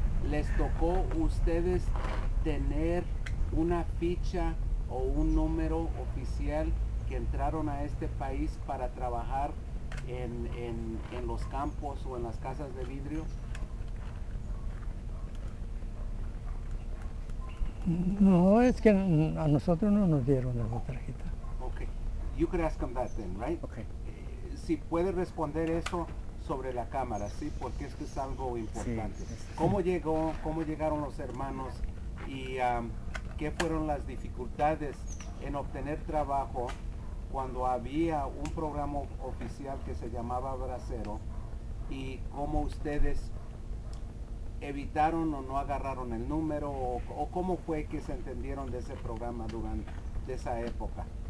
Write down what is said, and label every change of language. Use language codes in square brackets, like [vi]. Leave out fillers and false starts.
[es] Les tocó ustedes tener una ficha o un número oficial que entraron a este país para trabajar en los campos o en las casas de vidrio. No, es que a nosotros no nos dieron la tarjeta. [en] Okay, you could ask him that then, right? Okay. [es] Si puede responder eso sobre la cámara, sí, porque es que es algo importante. Sí. ¿Cómo llegaron los hermanos y qué fueron las dificultades en obtener trabajo cuando había un programa oficial que se llamaba Bracero, y cómo ustedes evitaron o no agarraron el número, o cómo fue que se entendieron de ese programa durante de esa época?